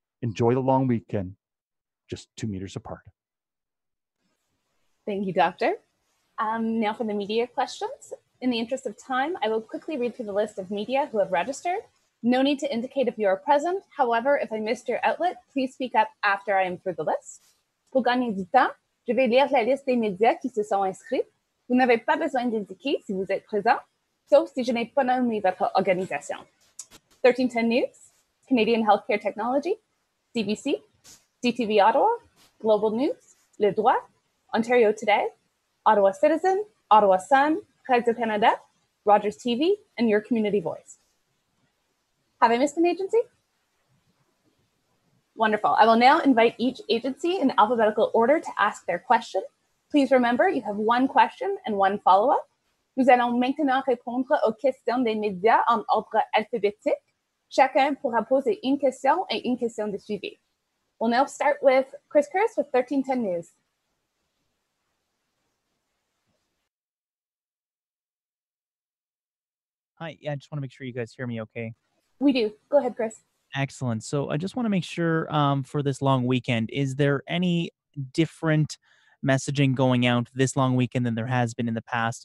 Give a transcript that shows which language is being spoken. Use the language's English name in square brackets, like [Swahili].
[English] Enjoy the long weekend, just 2 meters apart. Thank you, Doctor. Now for the media questions. In the interest of time, I will quickly read through the list of media who have registered. No need to indicate if you are present. However, if I missed your outlet, please speak up after I am through the list. [French] Pour gagner du temps, je vais lire la liste des médias qui se sont inscrits. Vous n'avez pas besoin d'indiquer si vous êtes présent, sauf si je n'ai pas nommé votre organisation. [English] 1310 News, Canadian Healthcare Technology, CBC, CTV Ottawa, Global News, Le Droit, Ontario Today, Ottawa Citizen, Ottawa Sun, Presse du Canada, Rogers TV, and Your Community Voice. Have I missed an agency? Wonderful. I will now invite each agency in alphabetical order to ask their question. Please remember, you have one question and one follow-up. [French] Nous allons maintenant répondre aux questions des médias en ordre alphabétique. Chacun pourra poser une question et une question de suivi. [English] We'll now start with Chris Curtis with 1310 News. Hi, yeah, I just want to make sure you guys hear me okay. We do. Go ahead, Chris. Excellent. So I just want to make sure for this long weekend, is there any different messaging going out this long weekend than there has been in the past?